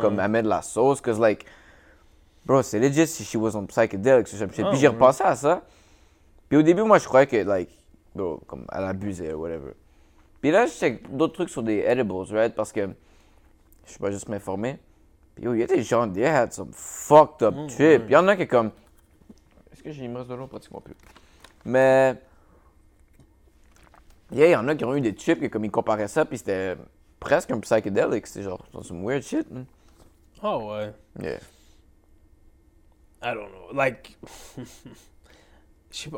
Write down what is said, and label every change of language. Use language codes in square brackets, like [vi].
[fr] Comme, elle met de la sauce, cause, like, bro, c'est legit si [en] she was on psychedelics, [fr] oh, puis ouais. J'ai repensé à ça, puis au début, moi, je croyais que, like, bro, comme, elle abusait, whatever. Puis là, je check d'autres trucs sur des edibles, right, parce que, je suis pas juste m'informer. [en] Yo, [fr] il y a des gens, [en] they had some fucked up trip. [fr] Mmh. Il y en a qui est comme. Est-ce que j'ai une masse de l'eau pratiquement plus? Mais. Yeah, il y en a qui ont eu des trips et comme ils comparaient ça, puis c'était presque un psychedelic. C'est genre [en] some weird shit. [fr] Hein? Oh ouais. [en] Yeah. I don't know. Like. [fr] Je sais pas.